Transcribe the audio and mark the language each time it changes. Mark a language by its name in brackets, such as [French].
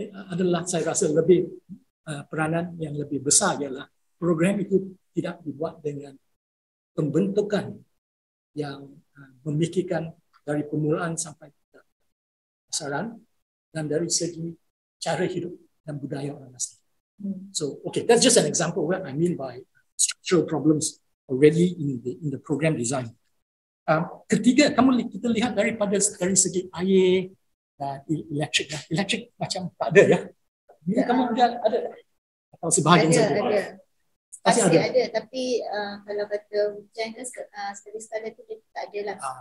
[Malay] Adalah saya rasa lebih peranan yang lebih besar ialah program itu tidak dibuat dengan pembentukan yang memikirkan dari permulaan sampai pasaran dan dari segi cara hidup dan budaya orang asli. [English] So okay, that's just an example of what I mean by structural problems already in the program design. [Malay] Ketiga, kita lihat dari segi air dan electric. Electric macam tak ada ya. Ini ya. Kamu ada atau sebahagian saja? Ada. Tapi kalau kata hujan kan sekali-sekala tu dia tak ada lah.